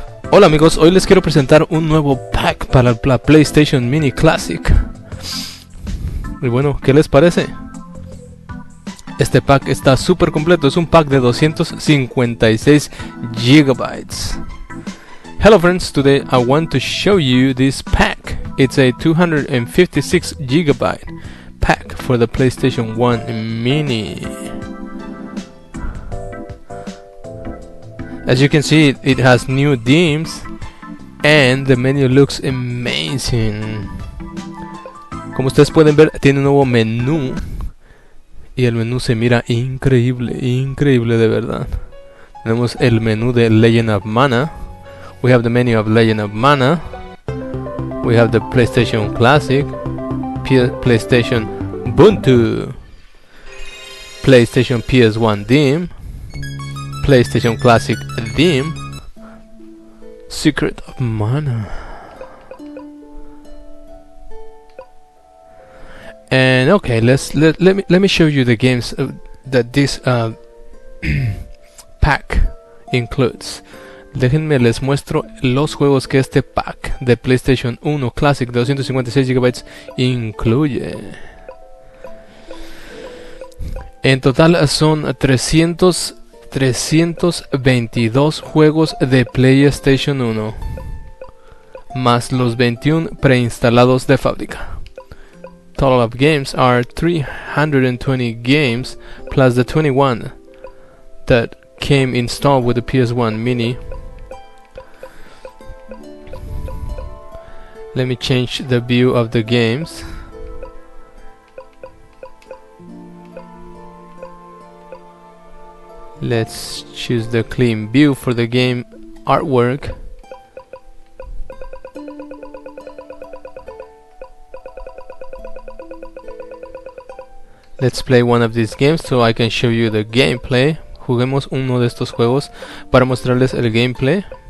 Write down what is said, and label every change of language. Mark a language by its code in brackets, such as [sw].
[es] Hola amigos, hoy les quiero presentar un nuevo pack para la PlayStation Mini Classic. Y bueno, ¿qué les parece? Este pack está súper completo, es un pack de 256 GB. [en] Hello friends, today I want to show you this pack. It's a 256 GB pack for the PlayStation 1 Mini. As you can see, it has new themes and the menu looks amazing. [es] Como ustedes pueden ver, tiene un nuevo menú y el menú se mira increíble, increíble de verdad. Tenemos el menú de Legend of Mana. [en] We have the menu of Legend of Mana. We have the PlayStation Classic, PlayStation Ubuntu, PlayStation PS1 theme, PlayStation Classic theme, Secret of Mana. And okay, let me show you the games that this pack includes. [es] Déjenme les muestro los juegos que este pack de PlayStation 1 Classic de 256 GB incluye. En total son 322 juegos de PlayStation 1 más los 21 preinstalados de fábrica. [en] Total of games are 320 games plus the 21 that came installed with the PS1 Mini. Let me change the view of the games. Let's choose the clean view for the game artwork. Let's play one of these games so I can show you the gameplay. [es] Juguemos uno de estos juegos para mostrarles el gameplay.